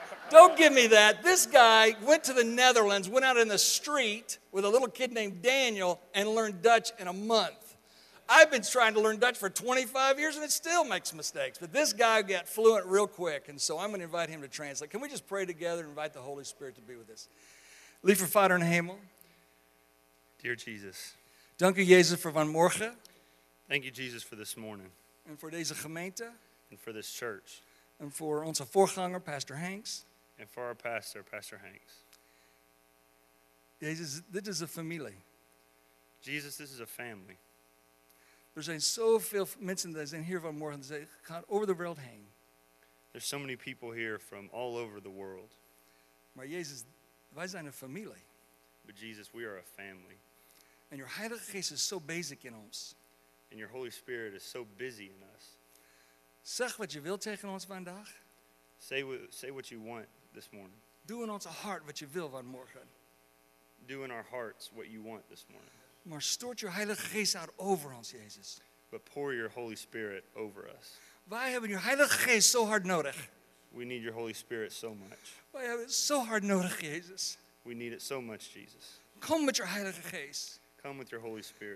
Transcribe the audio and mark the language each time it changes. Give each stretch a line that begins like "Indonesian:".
English: Don't give me that. This guy went to the Netherlands, went out in the street with a little kid named Daniel, and learned Dutch in a month. I've been trying to learn Dutch for 25 years, and it still makes mistakes. But this guy got fluent real quick, and so I'm going to invite him to translate. Can we just pray together and invite the Holy Spirit to be with us?
Dutch: Liever Vader in Hemel.
English: Dear Jesus.
Dutch: Dank u, Jezus, voor vanmorgen.
English: Thank you, Jesus, for this morning. And for
Dutch: deze gemeente.
English: And for this church. And for
Dutch: onze voorganger, Pastor Hanks.
English: And for our pastor, Pastor Hanks.
Dutch: Jezus, dit is een familie.
English: Jesus, this is a family.
Dutch: Er zijn zo veel mensen die zijn hier vanmorgen. Ze gaan over de wereld heen.
English: There's so many people here from all over the world.
Dutch: Maar Jezus, wij zijn een familie.
English: But Jesus, we are a family.
Dutch: En je Heilige Geest is zo basic in ons.
English: And your Holy Spirit is so busy in us.
Dutch: Zeg wat je wilt tegen ons vandaag.
English: Say what you want this morning.
Dutch: Doe in ons hart wat je wil vanmorgen.
English: Do in our hearts what you want this morning.
Dutch: Maar stort je Heilige Geest uit over ons, Jezus.
English: But pour your Holy Spirit over us.
Dutch: Wij hebben je Heilige Geest zo hard nodig.
English: We need your Holy Spirit so much.
Dutch: Wij hebben het zo hard nodig, Jezus.
English: We need it so much, Jesus.
Dutch: Kom met je Heilige Geest.
English: Come with your Holy Spirit.